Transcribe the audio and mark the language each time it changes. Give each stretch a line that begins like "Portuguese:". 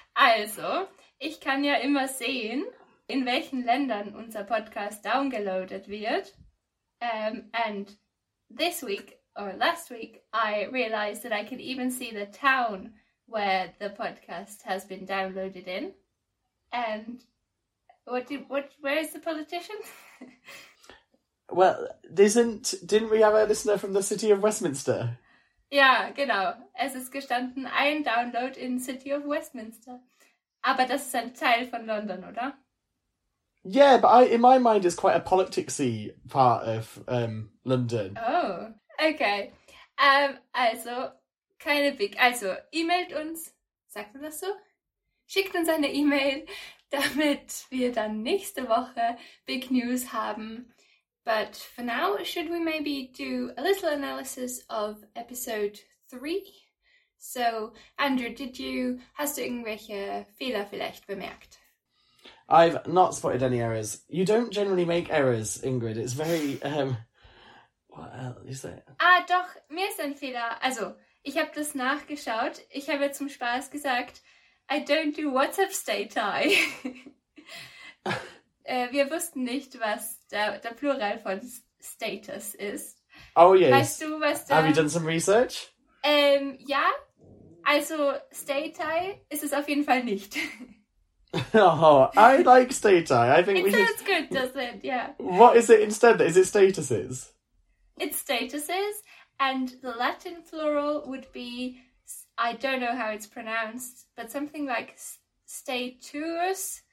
German: Also, ich kann ja immer sehen, in welchen Ländern unser Podcast downloaded wird.
English: And this week, or last week, I realized that I can even see the town where the podcast has been downloaded in. And where is the politician? Well, didn't we have a listener from the city of Westminster? Yeah, genau.
German: Es ist gestanden, ein Download in City of Westminster. Aber das ist ein Teil von London, oder?
English: Yeah, but in my mind it's quite a politics-y part of London. Oh, okay.
German: Also, emailt uns, sagt man das so? Schickt uns eine E-Mail, damit wir dann nächste Woche Big News haben.
English: But for now, should we maybe do a little analysis of episode 3?
German: So, Andrew, hast du irgendwelche Fehler vielleicht bemerkt?
English: I've not spotted any errors. You don't generally make errors, Ingrid. It's very, what is it?
German: Ah, doch, mir ist ein Fehler. Also, ich habe das nachgeschaut. Ich habe zum Spaß gesagt,
English: I don't do WhatsApp Stay-Tie.
German: wir wussten nicht, was der Plural von Status ist.
English: Oh, yes.
German: Weißt du, was der...
English: Have you done some research?
German: Ja. Also, Stay-Tie ist es auf jeden Fall nicht.
English: Oh, I like Stay-Tie. I think it sounds good, doesn't it? Yeah. What is it instead? Is it statuses? It's statuses, and the Latin plural would be, I don't know how it's pronounced, but something like status.